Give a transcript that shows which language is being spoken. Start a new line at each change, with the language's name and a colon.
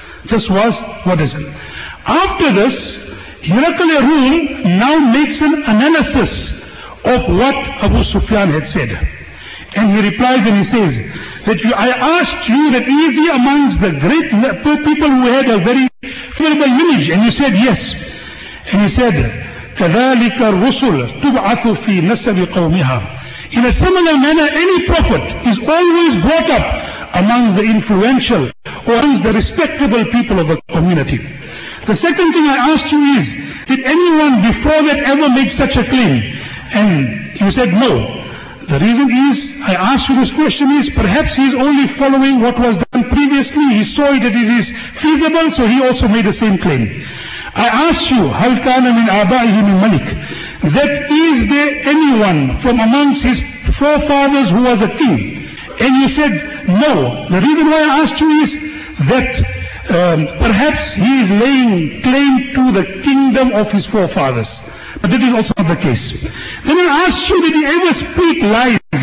English: This was what is it. After this, Heracles Rum now makes an analysis of what Abu Sufyan had said. And he replies and he says, that I asked you that is he amongst the great people who had a very favorable lineage? And you said yes. And he said,
Arabic: كَذَلِكَ الرُّسُلَ تُبْعَثُ فِي نَسَّبِ قَوْمِهَا.
English: In a similar manner, any prophet is always brought up amongst the influential or amongst the respectable people of a community. The second thing I asked you is, did anyone before that ever make such a claim? And you said no. The reason is, I asked you this question is, perhaps he is only following what was done previously. He saw that it is feasible, so he also made the same claim. I asked you,
Arabic: هَلْ كَانَ مِنْ أَبَائِهِ مِنْ مَلِكِ?
English: That is there anyone from amongst his forefathers who was a king? And he said, no. The reason why I asked you is that perhaps he is laying claim to the kingdom of his forefathers. But that is also not the case. Then I asked you, did he ever speak lies?